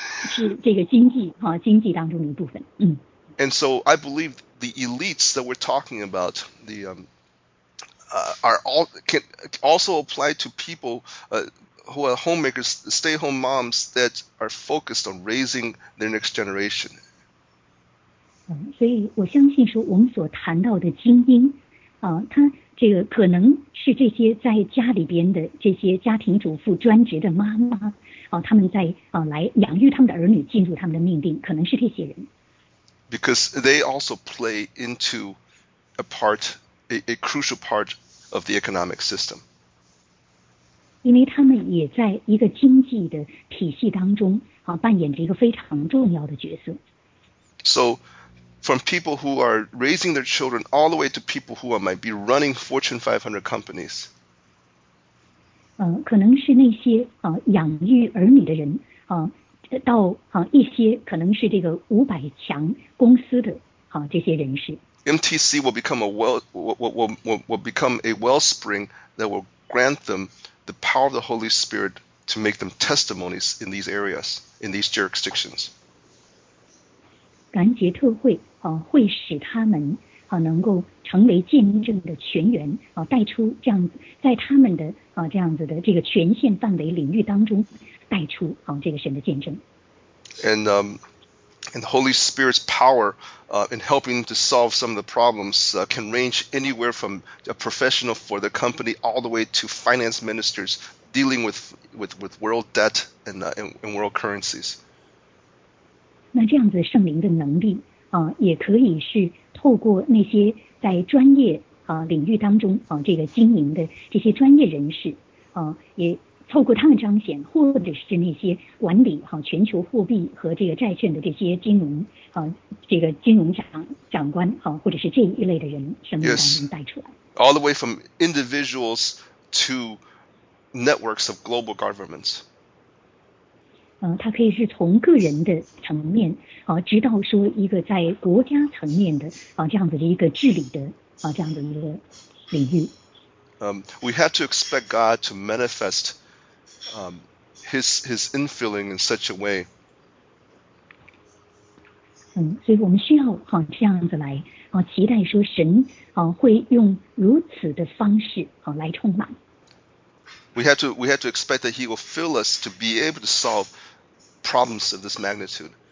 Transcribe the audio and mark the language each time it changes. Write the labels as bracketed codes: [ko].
[zh] 是这个经济经济当中的一部分。 [en] And so I believe the elites that we're talking about, the are all can also apply to people who are homemakers, stay-at-home moms that are focused on raising their next generation. [zh] 所以我相信说我们所谈到的精英他这个可能是这些在家里边的这些家庭主妇专职的妈妈他们在来养育他们的儿女进入他们的命定，可能是这些人。 [en] Because they also play into a part, a crucial part of the economic system. [zh] 因为他们也在一个经济的体系当中扮演着一个非常重要的角色。 [en] So, from people who are raising their children all the way to people who might be running Fortune 500 companies. [zh] 可能是那些养育儿女的人到一些可能是这个五百强公司的这些人士。 [en] MTC will become a wellspring that will grant them the power of the Holy Spirit to make them testimonies in these areas, in these jurisdictions. [zh] 感觉特会会使他们能够成为见证的泉源带出这样子在他们的这样子的这个权限范围领域当中带出这个神的见证。 [en] And the Holy Spirit's power in helping to solve some of the problems can range anywhere from a professional for the company all the way to finance ministers dealing with world debt and world currencies. [zh] 那这样子圣灵的能力也可以是透过那些在专业领域当中这个经营的这些专业人士也透过他们彰显，或者是那些管理全球货币和这个债券的这些金融这个金融长官或者是这一类的人生命当中带出来。 [en] Yes. All the way from individuals to networks of global governments. [zh] 他可以是从个人的层面直到说一个在国家层面的这样子的一个治理的这样的一个领域。 [en] We have to expect God to manifest his infilling in such a way. [zh] 所以我们需要这样子来期待说神会用如此的方式来充满。 [en] We have to expect that he will fill us to be able to solve problems of this magnitude.